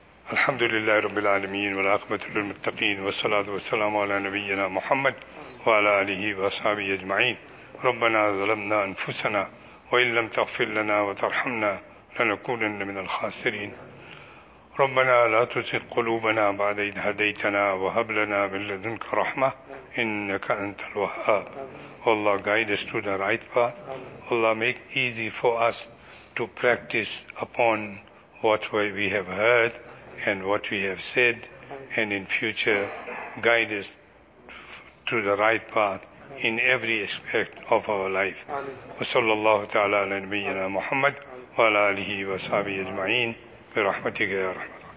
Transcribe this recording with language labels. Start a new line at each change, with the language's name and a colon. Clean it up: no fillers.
Arabic: Alhamdulillahi rabbil alameen wa l'aqmatu lil muttaqeen wa salatu wa salamu ala nabiyyina Muhammad wa ala alihi wa ashabihi ajma'in. Rabbana zalamna anfusana wa in lam taghfir lana wa tarhamna لنكونن من الخاسرين. ربنا لا تزغ قلوبنا بعد إذ هديتنا وهب لنا من لدنك رحمة إنك أنت الوهاب.
English: Allah guide us to the right path. Allah make easy for us to practice upon what we have heard and what we have said, and in future guide us to the right path in every aspect of our life.
Arabic: وصلى الله تعالى على نبينا محمد وعلى آله وصحبه أجمعين برحمتك يا رحمة.